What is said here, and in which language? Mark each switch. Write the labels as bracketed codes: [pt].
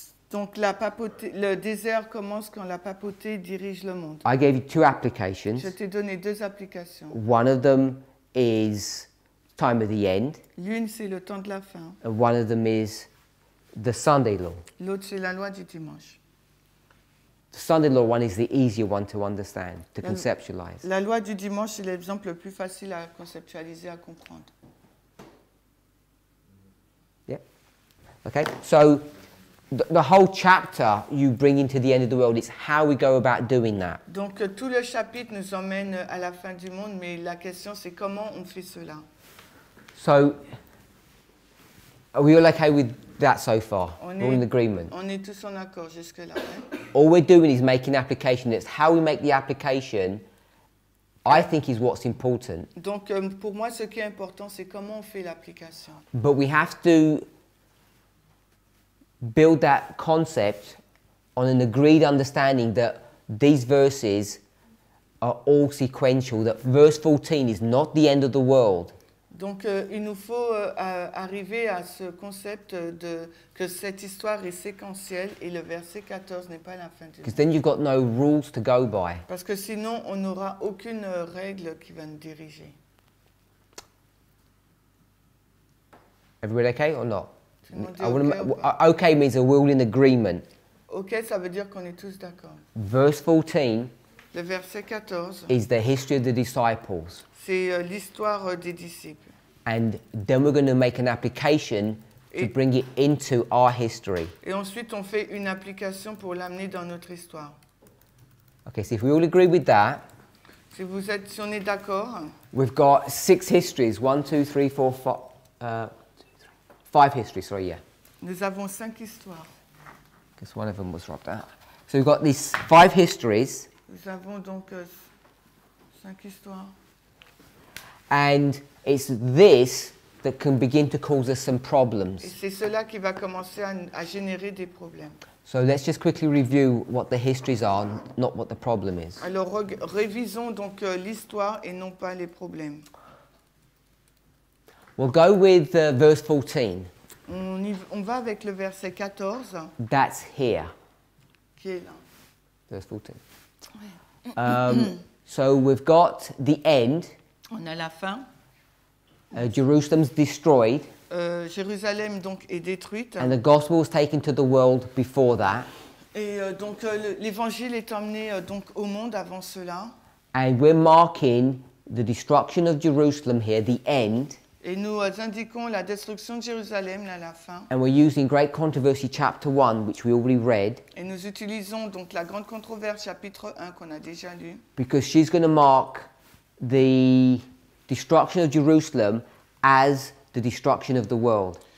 [fr] Donc la papauté, le désert commence quand la papauté dirige le monde. [en] I gave you two applications. [fr] Je t'ai donné deux applications. [en] One of them is time of the end. [fr] L'une c'est le temps de la fin. [en] And one of them is the Sunday law. [fr] L'autre c'est la loi du dimanche. [en] The Sunday law one is the easier one to understand, to conceptualize. [fr] La loi du dimanche c'est l'exemple le plus facile à conceptualiser, à comprendre. [en] Yeah. Okay. So the whole chapter you bring into the end of the world is how we go about doing that. [fr] Donc tout le chapitre nous emmène à la fin du monde, mais la question c'est comment on fait cela. [en] So, are we all okay with that so far? We're in agreement. [fr] On est tous en accord jusque là. [en] All we're doing is making application. It's how we make the application. I think is what's important. [fr] Donc pour moi, ce qui est important, c'est comment on fait l'application. [en] But we have to build that concept on an agreed understanding that these verses are all sequential, that verse 14 is not the end of the world. [fr] Donc il nous faut arriver à ce concept de que cette histoire est séquentielle et le verset 14 n'est pas la fin du monde. [en] Because then you've got no rules to go by. [fr] Parce que sinon on n'aura aucune règle qui va nous diriger. [en] Everybody okay or not? I want okay means a will in agreement. [fr] Okay, ça veut dire qu'on est tous d'accord. [en] Verse 14. [fr] Le verset 14. [en] Is the history of the disciples. [fr] C'est l'histoire des disciples. [en] And then we're going to make an application to bring it into our history. [fr] Et ensuite on fait une application pour l'amener dans notre histoire. [en] Okay, so if we all agree with that. [fr] Si vous êtes, si on est d'accord. [en] We've got six histories. 1, 2, 3, 4, 5. Five histories, sorry, yeah. [fr] Nous avons cinq histoires. [en] Because one of them was dropped out. So we've got these five histories. [fr] Nous avons donc cinq histoires. [en] And it's this that can begin to cause us some problems. [fr] Et c'est cela qui va commencer à générer des problèmes. [en] So let's just quickly review what the histories are, not what the problem is. [fr] Alors, révisons donc l'histoire et non pas les problèmes. [en] We'll go with verse 14. [fr] On va avec le verset 14. [en] That's here. [fr] Qui est là. [en] Verse 14. So we've got the end. [fr] On a la fin. [en] Jerusalem's destroyed. [fr] Jérusalem donc est détruite. [en] And the gospel was taken to the world before that. [fr] Et donc l'évangile est emmené donc au monde avant cela. [en] And we're marking the destruction of Jerusalem here, the end. [fr] Et nous indiquons la destruction de Jérusalem là, la fin. [en] And we're using Great Controversy chapter 1, which we already read. [fr] Et nous utilisons donc la grande controverse chapitre 1 qu'on a déjà lu. [en] Because she's going to mark the destruction of Jerusalem as the destruction of the world.